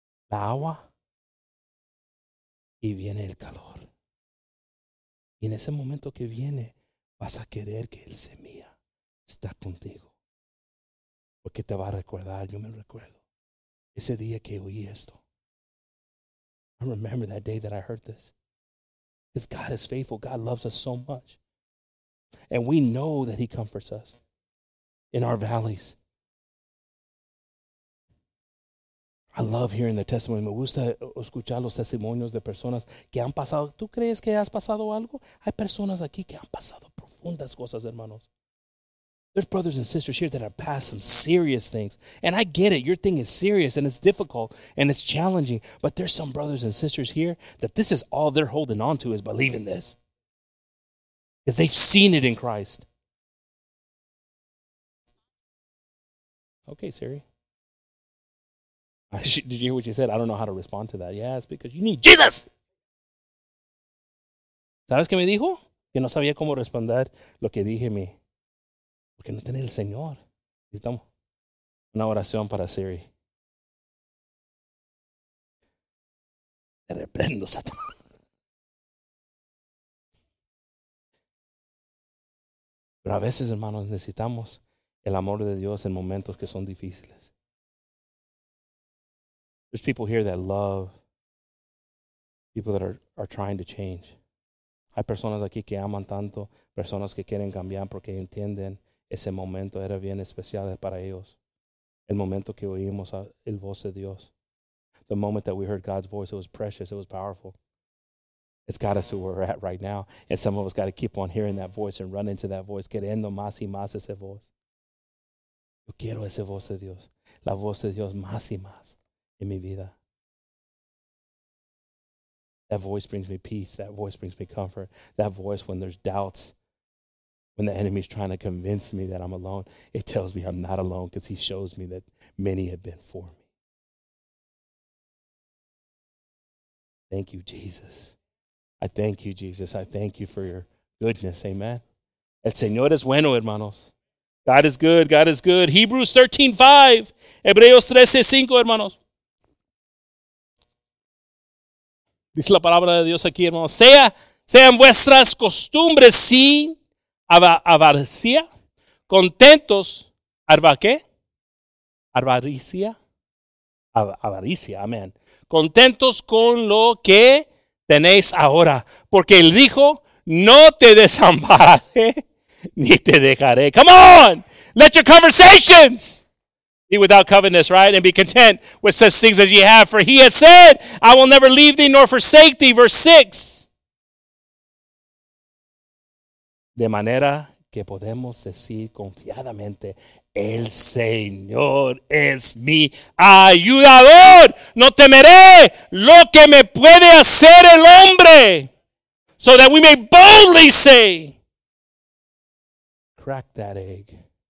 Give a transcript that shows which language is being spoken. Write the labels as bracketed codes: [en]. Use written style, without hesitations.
[es] la agua y viene el calor. Y en ese momento que viene, vas a querer que el semilla está contigo. Porque te va a recordar, yo me recuerdo, ese día que oí esto. [en] I remember that day that I heard this. Because God is faithful. God loves us so much. And we know that he comforts us in our valleys. I love hearing the testimony. [es] Me gusta escuchar los testimonios de personas que han pasado. ¿Tú crees que has pasado algo? Hay personas aquí que han pasado profundas cosas, hermanos. [en] There's brothers and sisters here that have passed some serious things. And I get it. Your thing is serious and it's difficult and it's challenging. But there's some brothers and sisters here that this is all they're holding on to is believing this. Because they've seen it in Christ. Okay, Siri. Did you hear what you said? I don't know how to respond to that. Yeah, it's because you need Jesus. [es] ¿Sabes qué me dijo? Que no sabía cómo responder lo que dije a mí. Porque no tiene el Señor. Necesitamos una oración para Siri. Te reprendo, Satanás. Pero a veces, hermanos, necesitamos el amor de Dios en momentos que son difíciles. [en] There's people here that love, people that are trying to change. [es] Hay personas aquí que aman tanto, personas que quieren cambiar porque entienden ese momento era bien especial para ellos. El momento que oímos el voz de Dios. [en] The moment that we heard God's voice, it was precious, it was powerful. It's got us to where we're at right now. And some of us got to keep on hearing that voice and run into that voice, [es] queriendo más y más ese voz. Yo quiero ese voz de Dios. La voz de Dios más y más en mi vida. [en] That voice brings me peace. That voice brings me comfort. That voice, when there's doubts, when the enemy's trying to convince me that I'm alone, it tells me I'm not alone because he shows me that many have been for me. Thank you, Jesus. I thank you, Jesus. I thank you for your goodness. Amen. [es] El Señor es bueno, hermanos. [en] God is good. God is good. [es] Hebrews 13:5. Hebreos 13:5, hermanos. Dice la palabra de Dios aquí, hermanos. Sean vuestras costumbres sin avaricia, contentos. ¿Arba qué? Avaricia. Amén. Contentos con lo que tenéis ahora, porque él dijo, no te desampararé ni te dejaré. [en] Come on, let your conversations be without covetous, right? And be content with such things as ye have. For he has said, I will never leave thee nor forsake thee. Verse 6. [es] De manera que podemos decir confiadamente, el Señor es mi ayudador. No temeré lo que me puede hacer el hombre. [en] So that we may boldly say, crack that egg.